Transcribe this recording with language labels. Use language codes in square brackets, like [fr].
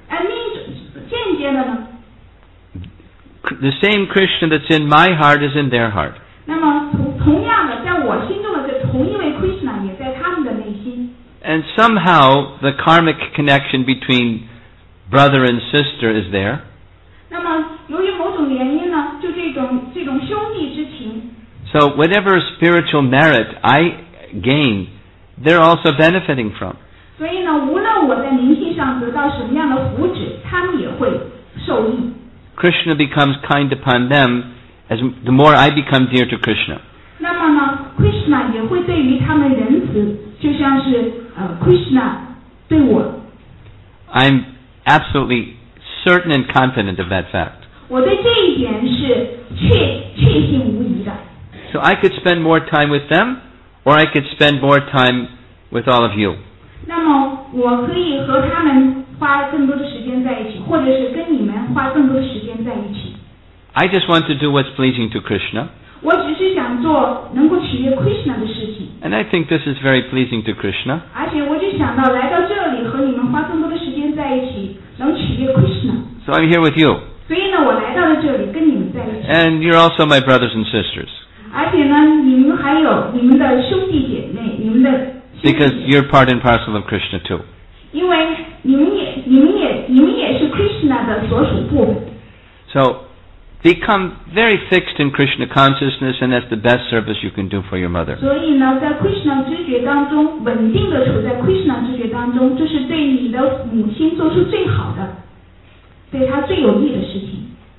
[zh] And 间接的呢？ [en] The same Krishna that's in my heart is in their heart. [zh] 那么同样的，在我心中的这同一位 Krishna 也在他们的内心。 [en] And somehow the karmic connection between brother and sister is there. [zh] 那么由于某种原因呢，就这种兄弟之情。 [en] So whatever spiritual merit I gain. They're also benefiting from. [zh] 所以呢，无论我在灵性上得到什么样的福祉，他们也会受益。 [en] Krishna becomes kind upon them as the more I become dear to Krishna. [zh] 那么呢 ，Krishna 也会对于他们仁慈，就像是Krishna 对我。 [en] I'm absolutely certain and confident of that fact. [zh] 我对这一点是确信无疑的。 [en] So I could spend more time with them. Or I could spend more time with all of you. [zh] 那么我可以和他们花更多的时间在一起，或者是跟你们花更多的时间在一起。 [en] I just want to do what's pleasing to Krishna. [zh] 我只是想做能够取悦 Krishna 的事情。 [en] And I think this is very pleasing to Krishna. [zh] 而且我就想到来到这里和你们花更多的时间在一起，能取悦 Krishna. [en] So I'm here with you. [zh] 所以呢，我来到了这里跟你们在一起。 [en] And you're also my brothers and sisters. [zh] 而且呢，你们还有你们的兄弟姐妹，你们的兄弟姐妹。 [en] Because you're part and parcel of Krishna too. [zh] 因为你们也是 Krishna 的所属部分。 [en] So, become very fixed in Krishna consciousness, and that's the best service you can do for your mother. [zh] 所以呢，在 Krishna 知觉当中，稳定的处在 Krishna 知觉当中，这是对你的母亲做出最好的，对她最有益的事情。